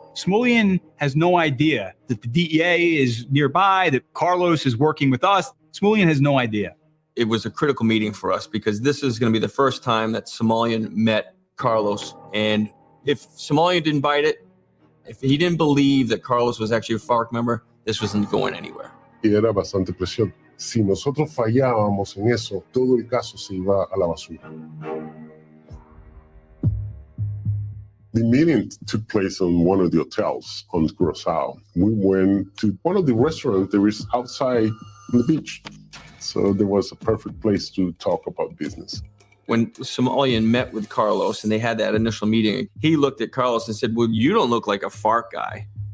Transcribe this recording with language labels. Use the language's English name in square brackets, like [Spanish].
[English] Somalian has no idea that the DEA is nearby, that Carlos is working with us. Somalian has no idea. It was a critical meeting for us because this is going to be the first time that Somalian met Carlos. And if Somalian didn't bite it, if he didn't believe that Carlos was actually a FARC member, this wasn't going anywhere. [Spanish] Y era bastante presión. si nosotros fallábamos en eso, todo el caso se iba a la basura. [English] The meeting took place on one of the hotels on Curaçao. We went to one of the restaurants that was outside on the beach. So there was a perfect place to talk about business. When Somalian met with Carlos and they had that initial meeting, he looked at Carlos and said, well, you don't look like a FARC guy.